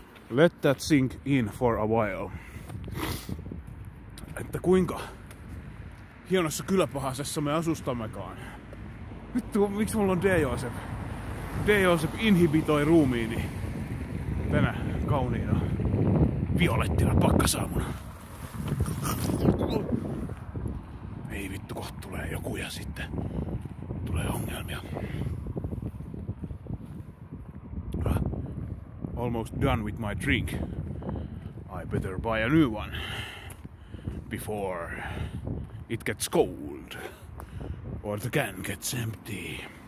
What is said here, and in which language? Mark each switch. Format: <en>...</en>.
<en>Let that sink in for a while.</en> <fi>Että kuinka hienossa kyläpahasessa me asustammekaan. Vittu, miksi mulla on D-Joseph? D-Joseph inhibitoi ruumiini tänä kauniina violettina pakkasaamuna. Ei vittu, kohta tulee joku ja sitten tulee ongelmia.</fi> <en>Almost done with my drink. I better buy a new one before it gets cold or the can gets empty.</en>